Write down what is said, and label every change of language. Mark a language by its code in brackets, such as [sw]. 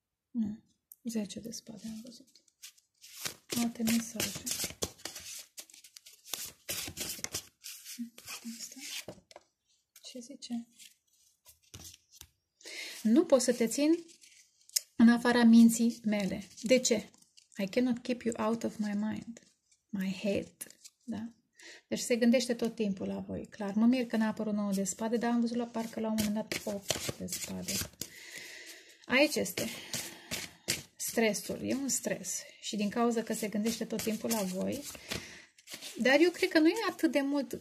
[ro] Nu, 10 de spade am văzut. Alte mesaje. Ce zice? Nu pot să te țin în afara minții mele. De ce? [en] I cannot keep you out of my mind. My head. [ro] Da? Deci se gândește tot timpul la voi. Clar, mă mir că n-a apărut 9 de spade, dar am văzut la parcă la un moment dat 8 de spade. Aici este. Stresul. E un stres. Și din cauza că se gândește tot timpul la voi. Dar eu cred că nu e atât de mult.